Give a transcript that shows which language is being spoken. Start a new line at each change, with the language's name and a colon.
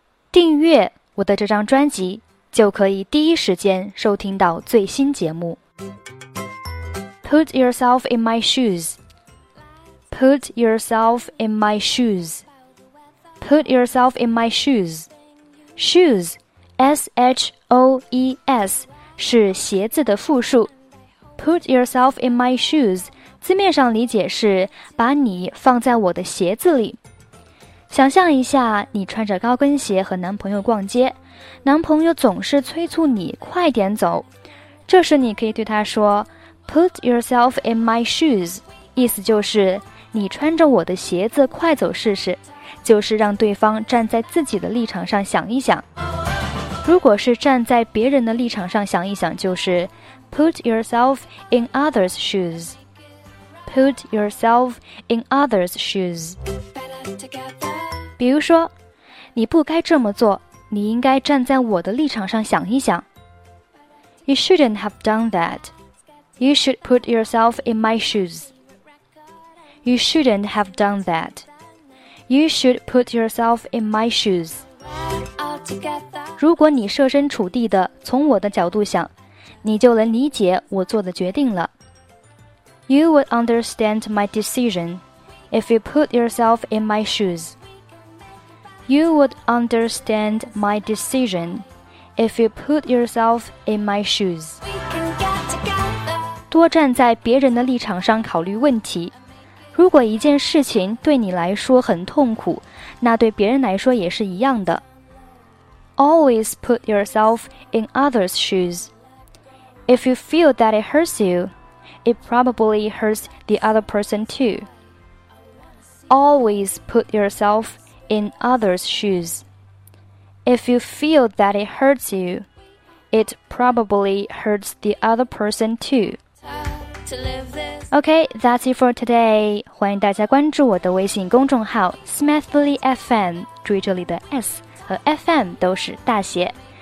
Chinese: 订阅我的这张专辑，就可以第一时间收听到最新节目。
English: Put yourself in my shoes. Put yourself in my shoes. Put yourself in my shoes.
Chinese: Shoes, S-H-O-E-S, 是鞋子的复数。
English: Put yourself in my shoes,
Chinese: 字面上理解是把你放在我的鞋子里。想象一下，你穿着高跟鞋和男朋友逛街，男朋友总是催促你快点走。这时你可以对他说
English: Put yourself in my shoes，
Chinese: 意思就是你穿着我的鞋子快走试试，就是让对方站在自己的立场上想一想。如果是站在别人的立场上想一想，就是
English: Put yourself in others' shoes。 Put yourself in others' shoes。
Chinese: 比如说，你不该这么做，你应该站在我的立场上想一想。
English: You shouldn't have done that. You should put yourself in my shoes. You shouldn't have done that. You should put yourself in my shoes.
Chinese: 如果你设身处地的从我的角度想，你就能理解我做的决定了。
English: You would understand my decision. If you put yourself in my shoes, you would understand my decision.
Chinese: If you put yourself in my shoes, 多站在别人的立场上考虑问题。如果一件事情对你来说很痛苦，那对别人来说也是一样的。
English: Always put yourself in others' shoes. If you feel that it hurts you, it probably hurts the other person too. Always put yourself in others' shoes. If you feel that it hurts you, it probably hurts the other person too. Okay, that's it for today.
Chinese: 欢迎大家关注我的微信公众号 Smathly FM. 注意这里的 S 和 FM 都是大写。